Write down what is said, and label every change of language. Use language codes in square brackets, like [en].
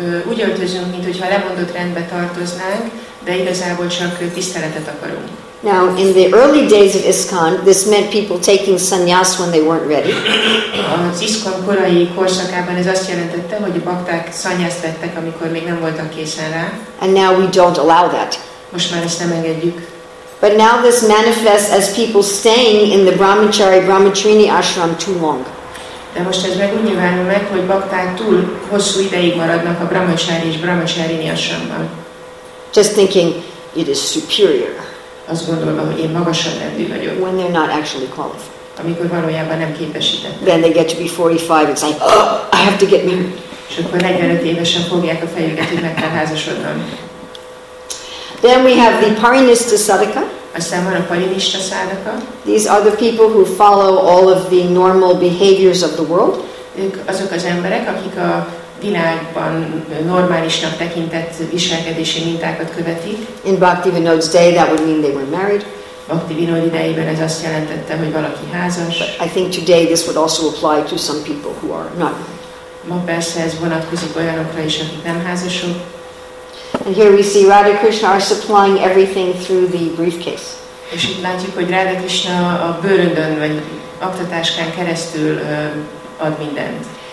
[hu] Úgy öltözünk, mint hogyha lemondott rendbe tartoznánk, de igazából csak tiszteletet akarunk. [en] Now, in the early days of ISKCON, this meant people taking sannyas when they weren't ready. [hu] Az ISKCON korai korszakában ez azt jelentette, hogy a bakták szanyászt vettek, amikor még nem voltak készen rá. [en] And now we don't allow that. [hu] Most már ezt nem engedjük. [en] But now this manifests as people staying in the brahmachari brahmacharini ashram too long. [hu] De most ez meg úgy nyilvánul meg, hogy bakták túl hosszú ideig maradnak a brahmachari és brahmacharini ashramban. [en] Just thinking it is superior. [hu] Azt gondolva, hogy én magasabb rendű vagyok. [en] When they're not actually qualified. [hu] Amikor valójában nem képesített. [en] Then they get to be 45, it's like, oh, I have to get married. [hu] És akkor 45 évesen fogják a fejüket, hogy meg kell házasodnom. [en] Then we have the Parinista Sadaka. [hu] Aztán van a Parinista Sadaka. [en] These are the people who follow all of the normal behaviors of the world. [hu] Ők azok az emberek, akik a világban normálisnak tekintett viselkedési mintákat követik. [en] In Bhaktivinoda's day, that would mean they were married. [hu] Bhaktivinoda idejében ez azt jelentette, hogy valaki házas. [en] But I think today this would also apply to some people who are not. [hu] Ma persze ez vonatkozik olyanokra is, akik nem házasok. [en] And here we see Radha Krishna are supplying everything through the briefcase. [hu] És itt látjuk, hogy Radha Krishna a bőröndön vagy aktatáskán keresztül ad mindent.